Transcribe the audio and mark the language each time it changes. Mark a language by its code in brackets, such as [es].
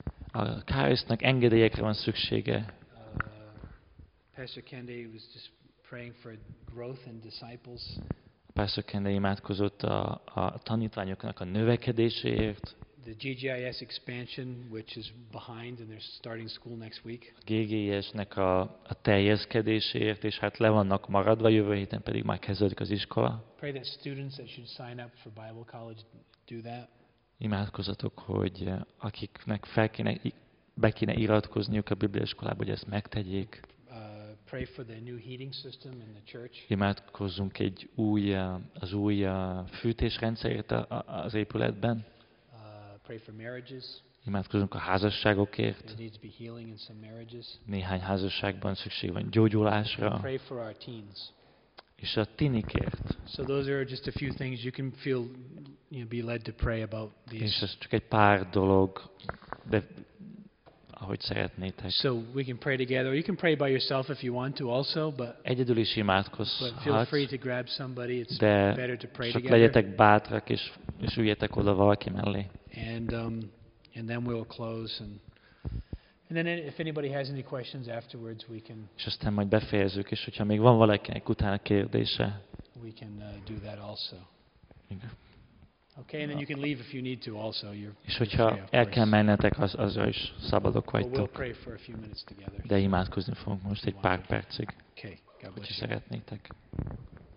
[hu] A Kárisznak engedélyekre van szüksége. [en] Pastor Kende was just praying for growth in disciples. [hu] Pastor Kende imádkozott a tanítványoknak a növekedéséért. [en] The GGIS expansion, which is behind and they're starting school next week. [hu] A GGIS-nek a teljeskedéséért, és hát le vannak maradva, jövő héten pedig már kezdődik az iskola. [en] Pray that students that should sign up for Bible college do that. [hu] Imádkozzatok, hogy akiknek fel kéne, be kéne iratkozniuk a bibliaiskolába, hogy ezt megtegyék. [en] Pray for the new heating system in the church. [hu] Imádkozzunk egy új az új fűtésrendszerért az épületben. [en] Pray for marriages. [hu] Imádkozzunk a házasságokért. [en] There needs to be healing in some marriages. [hu] Néhány házasságban szükség van gyógyulásra. [en] Pray for our teens. [hu] És a tinikért. [en] So those are just a few things you can feel, you know, be led to pray about these. [hu] És ez csak egy pár dolog. Ahogy szeretnétek. [en] So we can pray together. You can pray by yourself if you want to also, but [hu] egyedül is imádkozz. [en] But feel free to grab somebody. It's better to pray together. [hu] Csak legyetek bátrak és üljetek oda valaki mellé. [en] And then we'll close and then if anybody has any questions afterwards, we can. [hu] És aztán majd befejezzük, és hogyha még van valakinek utána kérdése. [en] We can do that also. Okay, and then you can leave if you need to also. [hu] És hogyha el kell mennetek, az is szabadok vagytok. De imádkozni fogunk most egy pár percig. [en] Okay, God bless you. [hu] Hogyha szeretnétek.